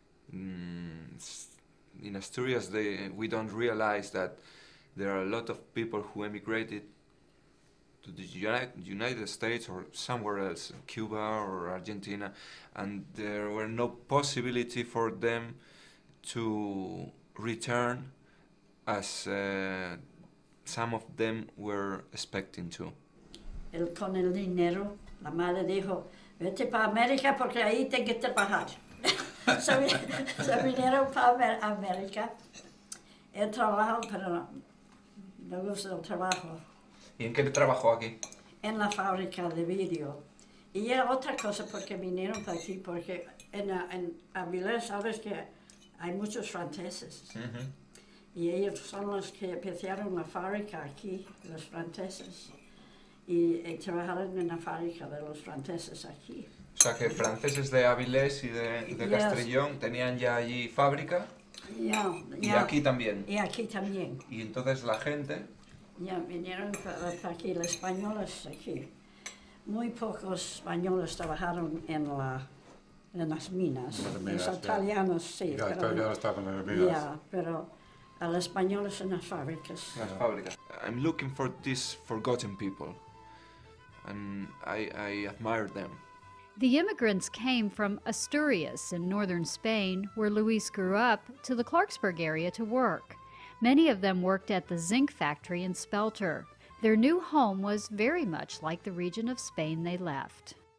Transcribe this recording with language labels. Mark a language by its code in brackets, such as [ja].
[en] In Asturias, we don't realize that there are a lot of people who emigrated to the United States or somewhere else, Cuba or Argentina, and there were no possibility for them to return as some of them were expecting to. [es] El con el dinero, la madre dijo, vete pa America porque ahí tengo que trabajar. So vinieron pa America. El trabajo, pero no gusta el trabajo. ¿Y en qué trabajó aquí? En la fábrica de vidrio. Y era otra cosa porque vinieron pa aquí, porque en Avilés sabes que hay muchos franceses. Uh-huh. Y ellos son los que empezaron la fábrica aquí, los franceses. Y trabajaron en la fábrica de los franceses aquí. O sea, que franceses de Avilés y de yes. Castrillón tenían ya allí fábrica. Yeah, y yeah. Aquí también. Y aquí también. Y entonces la gente. Ya, yeah, vinieron para aquí, los españoles aquí. Muy pocos españoles trabajaron en las minas. Los italianos, yeah. Sí. Los italianos estaban en las minas. Ya, yeah, pero a los españoles en las fábricas. En las fábricas. [en] I'm looking for these forgotten people, and I admire them. The immigrants came from Asturias in northern Spain, where Luis grew up, to the Clarksburg area to work. Many of them worked at the zinc factory in Spelter. Their new home was very much like the region of Spain they left.